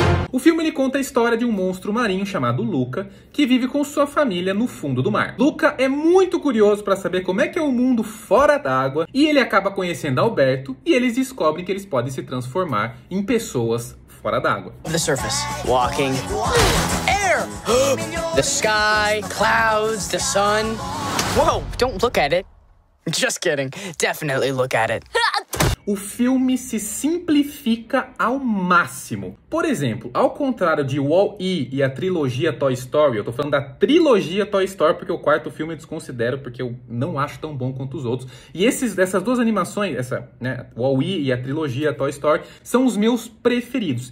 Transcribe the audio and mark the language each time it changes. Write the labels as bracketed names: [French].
[Portuguese] O filme, ele conta a história de um monstro marinho chamado Luca, que vive com sua família no fundo do mar. Luca é muito curioso para saber como é que é o mundo fora d'água, e ele acaba conhecendo Alberto, e eles descobrem que eles podem se transformar em pessoas fora d'água. [English] The surface, walking, air, the sky, clouds, the sun. Whoa, don't look at it. Just kidding, definitely look at it. [Portuguese] O filme se simplifica ao máximo. Por exemplo, ao contrário de Wall-E e a trilogia Toy Story, eu tô falando da trilogia Toy Story porque o quarto filme eu desconsidero, porque eu não acho tão bom quanto os outros. E essas duas animações, Wall-E e a trilogia Toy Story, são os meus preferidos.